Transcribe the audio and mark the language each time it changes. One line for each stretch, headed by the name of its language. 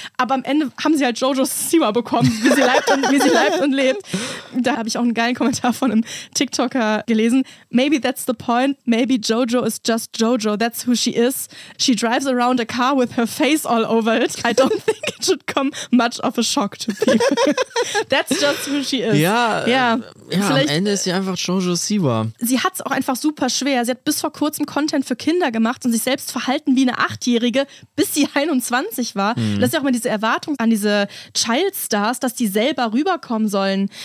German: Aber am Ende haben sie halt JoJo Siwa bekommen, wie sie lebt und lebt. Da habe ich auch einen geilen Kommentar von einem TikToker gelesen.
English: Maybe that's the point. Maybe JoJo is just JoJo. That's who she is. She drives around a car with her face all over it. I don't think it should come much of a shock to people. That's just who she is.
German: Ja, am Ende ist sie einfach JoJo Siwa. Sie hat es auch einfach super schwer. Sie hat bis vor kurzem Content für Kinder gemacht und sich selbst verhalten wie eine 8-Jährige, bis sie 21 war. Mhm. Das ist ja auch mal diese Erwartung an diese Childstars, dass die selber rüberkommen sollen.